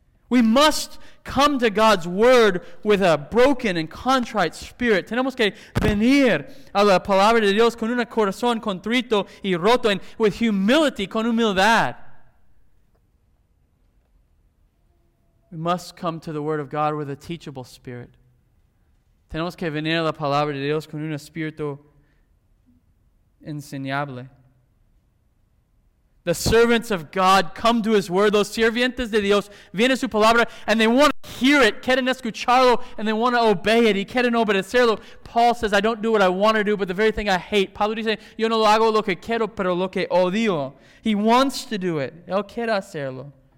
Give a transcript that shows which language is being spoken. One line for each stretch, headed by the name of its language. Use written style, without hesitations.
English: We must come to God's word with a broken and contrite spirit.
Spanish: Tenemos que venir a la palabra de Dios con un corazón contrito y roto,
English: and with humility,
Spanish: con humildad.
English: We must come to the word of God with a teachable spirit.
Spanish: Tenemos que venir a la palabra de Dios con un espíritu enseñable.
English: The servants of God come to his word.
Spanish: Los sirvientes de Dios vienen a su palabra,
English: and they want to hear it.
Spanish: Quieren escucharlo,
English: and they want to obey it.
Spanish: Y quieren obedecerlo.
English: Paul says, I don't do what I want to do, but the very thing I hate.
Spanish: Pablo dice, yo no lo hago lo que quiero, pero lo que odio.
English: He wants to do it.
Spanish: Él quiere hacerlo.